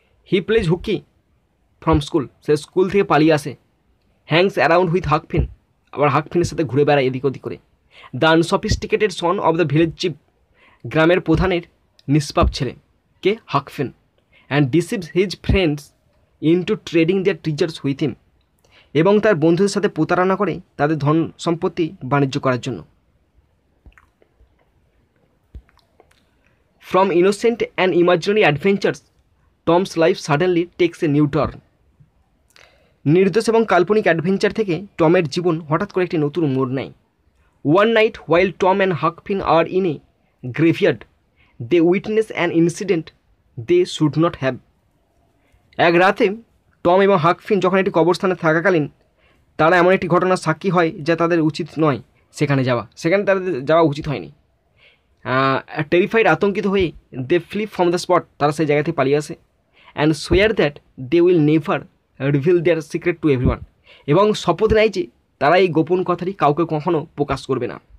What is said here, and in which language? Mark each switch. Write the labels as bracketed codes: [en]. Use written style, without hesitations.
[en] he plays hooky from school, [bn] say school থেকে পালিয়ে আসে, [en] hangs around with Huck Finn, [bn] আবার হাকফিনের সাথে ঘুরে বেড়ায় এদিক ওদিক করে, [en] the unsophisticated son of the village chief, [bn] গ্রামের প্রধানের নিষ্পাপ ছেলে কে হাকফিন, [en] and deceives his friends into trading their treasures with him, [bn] এবং তার বন্ধুদের সাথে প্রতারণা করে তাদের ধন সম্পত্তি বাণিজ্য করার জন্য। [en] from innocent and imaginary adventures Tom's life suddenly takes a new turn, [bn] নির্দোষ এবং কাল্পনিক অ্যাডভেঞ্চার থেকে টমের জীবন হঠাৎ করে একটি নতুন মোড় নেয়। [en] One night, while Tom and Huck Finn are in a graveyard, they witness an incident they should not have. [bn] এক রাতে টম এবং হাক ফিন যখন একটি কবরস্থানে থাকাকালীন তারা এমন একটি ঘটনার সাক্ষী হয় যা তাদের উচিত নয় সেখানে যাওয়া, সেখানে তাদের যাওয়া উচিত হয়নি। টেরিফাইড, আতঙ্কিত হয়ে [en] they flip from the spot, [bn] তারা সেই জায়গাতে পালিয়ে আসে। [en] and swear that they will never reveal their secret to everyone, [bn] এবং শপথ নেয় যে তারা এই গোপন কথাটি কাউকে কখনও প্রকাশ করবে না।